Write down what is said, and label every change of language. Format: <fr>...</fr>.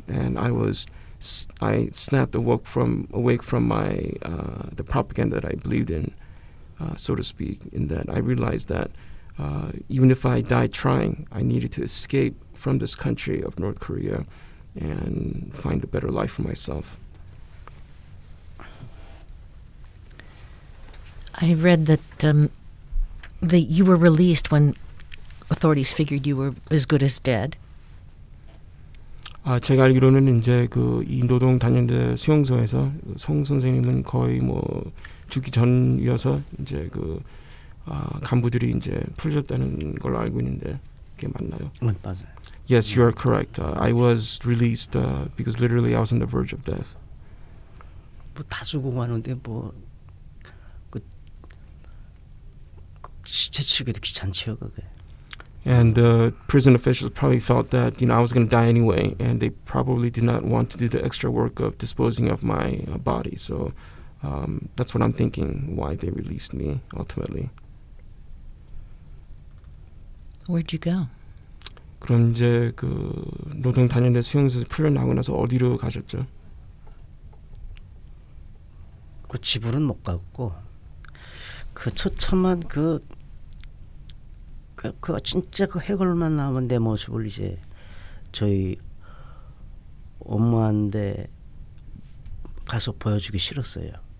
<en>And I was, I snapped awake from my, the propaganda that I believed in, so to speak, in that I realized that even if I died trying, I needed to escape from this country of North Korea and find a better life for myself. I read that that you were released when authorities figured you were as good as dead.</en> <ko>아, 제가 알기로는 이제 그 인도동 단련대 수용소에서 송 선생님은 거의 뭐 죽기 전이어서 이제 그 간부들이 이제 풀렸다는 걸로 알고 있는데 그게 맞나요? 맞아요.</ko> <en>Yes, you are correct. I was released because literally I was on the verge of death.</en> <ko>뭐 다 죽고 가는데 뭐 그 시체 치우기도 귀찮죠, 그게.</ko> <en>And the prison officials probably felt that, you know, I was going to die anyway, and they probably did not want to do the extra work of disposing of my body. So that's what I'm thinking, why they released me ultimately. Where'd you go?</en> <ko>그럼 이제 그 노동 단련대 수용소에서 풀려나고 나서 어디로 가셨죠? 그 집으로는 못 갔고 그 처참한 그 그 진짜 그 해골만 남은 내 모습을 이제 저희 엄마한테 가서 보여주기 싫었어요.</ko>